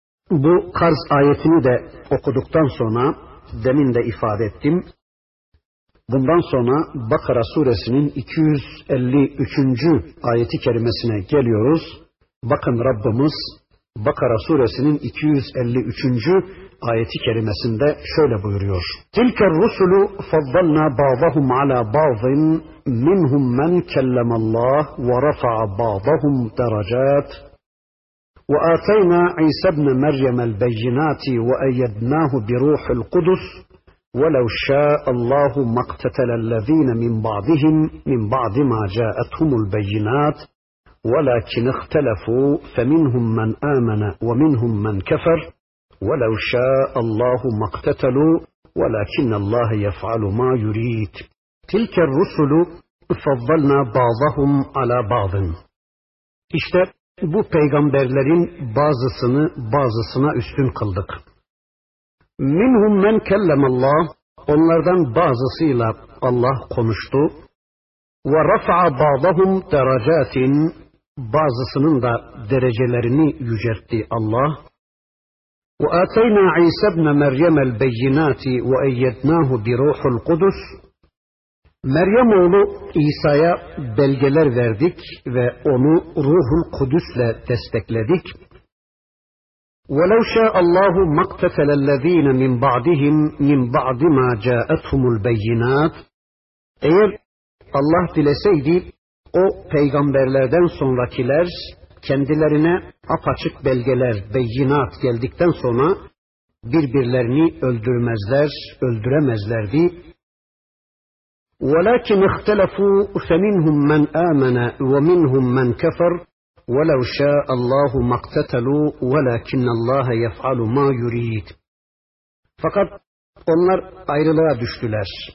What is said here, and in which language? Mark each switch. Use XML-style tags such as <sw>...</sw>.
<tr>Bu Kars ayetini de okuduktan sonra demin de ifade ettim. Bundan sonra Bakara suresinin 253. ayeti kerimesine geliyoruz. Bakın Rabbimiz Bakara suresinin 253. ayeti kerimesinde şöyle buyuruyor.</tr> <ar>تِلْكَ الرُّسُلُ فَضَّلْنَا بَعْضَهُمْ عَلَى بَعْضٍ مِنْهُمْ مَنْ كَلَّمَ اللّٰهُ وَرَفَعَ بَعْضَهُمْ دَرَجَاتٍ وَآتَيْنَا عِيسَى ابْنَ مَرْيَمَ الْبَيِّنَاتِ وَأَيَّدْنَاهُ بِرُوحِ الْقُدُسِ وَلَوْ شَاءَ اللّٰهُ مَقْتَتَلَ الَّذ۪ينَ مِنْ بَعْضِهِمْ مِنْ بَعْضِ مَا جَاءَتْهُمُ الْبَيِّنَاتِ وَلَكِنْ اِخْتَلَفُوا فَمِنْهُمْ مَنْ آمَنَ وَمِنْهُمْ مَنْ كَفَرَ وَلَوْ شَاءَ اللّٰهُ مَقْتَتَلُوا وَلَكِنَّ اللّٰهَ يَفْعَلُ مَا يُر۪يدُ تِلْكَ الرُّسُلُ فَضَّلْنَا بَعْضَهُمْ عَلَى بَعْضٍ</ar> <tr>İşte bu peygamberlerin bazısını bazısına üstün kıldık.</tr> <ar>مِنْهُمْ مَنْ كَلَّمَ اللّٰهُ</ar> <tr>Onlardan bazısıyla Allah konuştu.</tr> <ar>وَرَفَعَ بَعْضَهُمْ دَرَجَاتٍ</ar> <tr>Bazısının da derecelerini yüceltti Allah.</tr> <ar>وَآتَيْنَا عِيسَى ابْنَ مَرْيَمَ الْبَيِّنَاتِ وَاَيَّدْنَاهُ بِرُوحُ الْقُدُسِ</ar> <tr>Meryem oğlu İsa'ya belgeler verdik ve onu Ruhul Kudüs'le destekledik.</tr> <ar>وَلَوْ شَاءَ اللّٰهُ مَقْتَتَلَ الَّذ۪ينَ مِنْ بَعْدِهِمْ مِنْ بَعْدِ مَا جَاءَتْهُمُ الْبَيِّنَاتِ</ar> <tr>Eğer Allah dileseydi, o peygamberlerden sonrakiler kendilerine apaçık belgeler, beyinat geldikten sonra birbirlerini öldürmezler, öldüremezlerdi.</tr> <ar>وَلَكِنْ اِخْتَلَفُوا فَمِنْهُمْ مَنْ آمَنَ وَمِنْهُمْ مَنْ كَفَرْ وَلَوْ شَاءَ اللّٰهُ مَقْتَتَلُوا وَلَكِنَّ اللّٰهَ يَفْعَلُ مَا يُر۪يدُ</ar> <tr>Fakat onlar ayrılığa düştüler.</tr>